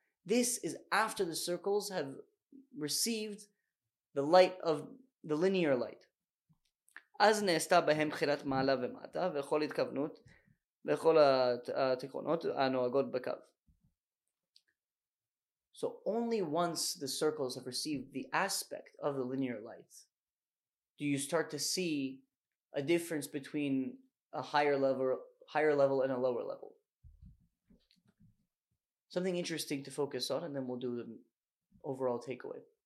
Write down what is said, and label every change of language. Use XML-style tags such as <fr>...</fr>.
<en>This is after the circles have received the light of the linear light.</en> <he>אז נעשתה בהם בחינת מעלה ומטה, וכל התכוונות, וכל התכונות הנוהגות בקו.</he> <en>So only once the circles have received the aspect of the linear light, do you start to see a difference between a higher level and a lower level. Something interesting to focus on, and then we'll do the overall takeaway.</en>